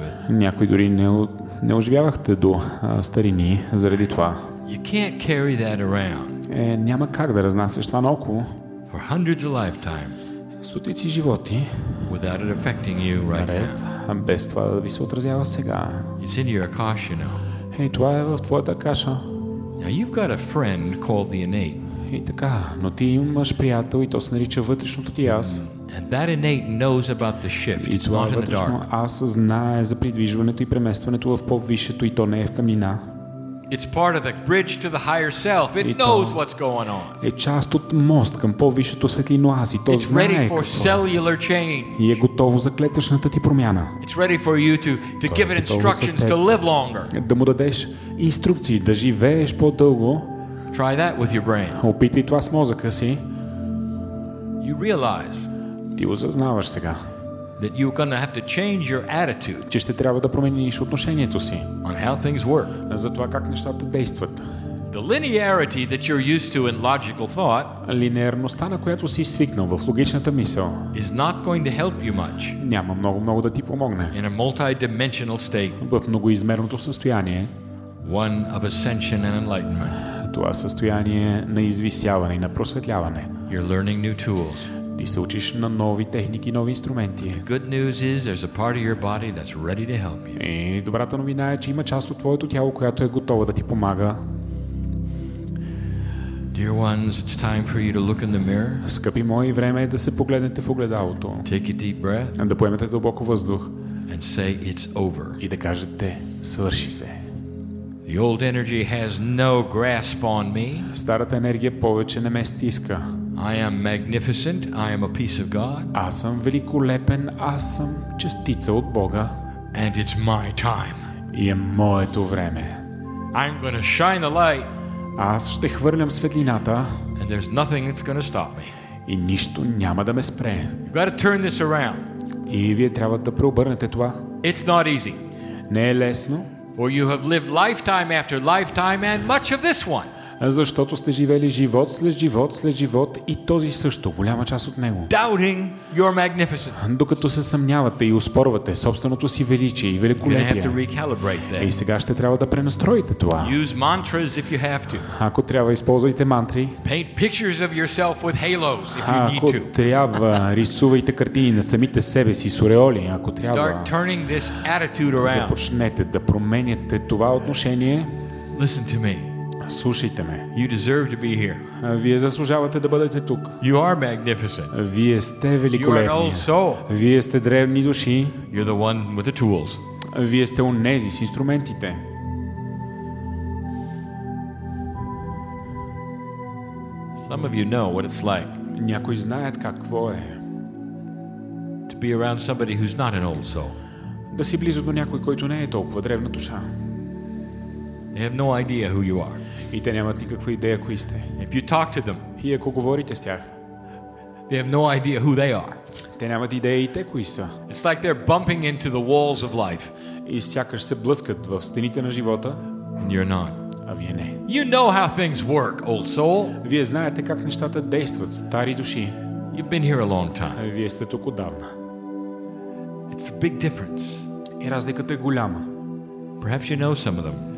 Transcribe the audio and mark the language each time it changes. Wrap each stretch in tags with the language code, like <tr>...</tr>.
<bg>Някои дори не оживявахте до старини заради това.</bg> <en>You can't carry that around.</en> <bg>Няма как да разнасяш това наоколо.</bg> <en>For hundreds of lifetimes.</en> <bg>Стотици животи.</bg> <en>Without it affecting you right now.</en> <bg>Без това да ви се отразява сега.</bg> <en>It's in your akash, you know.</en> <bg>Това е в твоята каша.</bg> <en>Now you've got a friend called the innate.</en> <bg>И така, но ти имаш приятел и то се нарича вътрешното ти аз.</bg> <en>And that innate knows about the shift. It's not in the dark.</en> <bg>Аз знае за придвижването и преместването в по-висшето и то не е в тъмнина.</bg> <en>It's part of the bridge to the higher self. It knows what's going on.</en> <bg>Е част от мост към по-висшето светлино аз и то знае.</bg> <en>It's ready for cellular change.</en> <bg>И е готово за клетъчната ти промяна.</bg> <en>It's ready for you to give it instructions to live longer.</en> <bg>Да му дадеш инструкции да живееш по-дълго.</bg> <en>Try that with your brain.</en> <bg>Опитай това с мозъка си.</bg> <en>You realize.</en> <bg>Ти осъзнаваш сега.</bg> <en>That you're going to have to change your attitude.</en> <bg>Че ще трябва да промениш отношението си.</bg> <en>On how things work.</en> <bg>За това как нещата действат.</bg> <en>The linearity that you're used to in logical thought.</en> <bg>Линеарността, на която си свикнал в логичната мисъл.</bg> <en>Is not going to help you much.</en> <bg>Няма много да ти помогне.</bg> <en>In a multi-dimensional state.</en> <bg>В многоизмерното състояние.</bg> <en>One of ascension and enlightenment.</en> <bg>Това състояние на извисяване и на просветляване.</bg> <en>You're learning new tools.</en> <bg>Ти се учиш на нови техники, нови инструменти.</bg> <en>The good news is there's a part of your body that's ready to help you.</en> <bg>И добрата новина е, че има част от твоето тяло, която е готова да ти помага.</bg> <en>Dear ones, it's time for you to look in the mirror.</en> <bg>Скъпи мои, време е да се погледнете в огледалото.</bg> <en>Take a deep breath.</en> <bg>Да поемете дълбоко въздух.</bg> <en>And say it's over.</en> <bg>И да кажете: свърши се.</bg> <en>The old energy has no grasp on me.</en> <bg>Старата енергия повече не ме стиска.</bg> <en>I am magnificent. I am a piece of God.</en> <bg>Аз съм великолепен. Аз съм частица от Бога.</bg> <en>And it's my time.</en> <bg>И е моето време.</bg> <en>I'm going to shine the light.</en> <bg>Аз ще хвърлям светлината.</bg> <en>And there's nothing that's going to stop me.</en> <bg>И нищо няма да ме спре.</bg> <en>You got to turn this around.</en> <bg>И вие трябва да преобърнете това.</bg> <en>It's not easy.</en> <bg>Не е лесно.</bg> <en>For you have lived lifetime after lifetime and much of this one.</en> <bg>Защото сте живели живот след живот след живот и този също, голяма част от него.</bg> <en>Doubting your magnificence.</en> <bg>Докато се съмнявате и оспорвате собственото си величие и великолепие. И сега ще трябва да пренастроите това.</bg> <en>Use mantras if you have to.</en> <bg>Ако трябва, използвайте мантри.</bg> <en>Paint pictures of yourself with halos if you need to.</en> <bg>Ако трябва, рисувайте картини на самите себе си с ореоли, ако трябва.</bg> <en>Start turning this attitude around.</en> <bg>Започнете да променяте това отношение.</bg> <en>Listen to me.</en> <bg>Слушайте ме.</bg> <en>You deserve to be here.</en> <bg>Вие заслужавате да бъдете тук.</bg> <en>You are magnificent.</en> <bg>Вие сте великолепни.</bg> <en>You are an old soul.</en> <bg>Вие сте древни души.</bg> <en>You're the one with the tools.</en> <bg>Вие сте онези с инструментите.</bg> <en>Some of you know what it's like.</en> <bg>Някои знаят какво е.</bg> <en>To be around somebody who's not an old soul.</en> <bg>Да си близо до някой, който не е толкова древна душа.</bg> <en>They have no idea who you are.</en> <bg>И те нямат никаква идея кои сте.</bg> <en>If you talk to them,</en> <bg>и ако говорите с тях,</bg> <en>they have no idea who they are.</en> <bg>Те нямат идея и те кои са.</bg> <en>It's like they're bumping into the walls of life.</en> <bg>И сякаш се блъскат в стените на живота.</bg> <en>And you're not.</en> <bg>А вие не.</bg> <en>You know how things work, old soul.</en> <bg>Вие знаете как нещата действат, стари души.</bg> <en>You've been here a long time.</en> <bg>Вие сте тук отдавна.</bg> <en>It's a big difference.</en> <bg>И разликата е голяма.</bg> <en>Perhaps you know some of them.</en>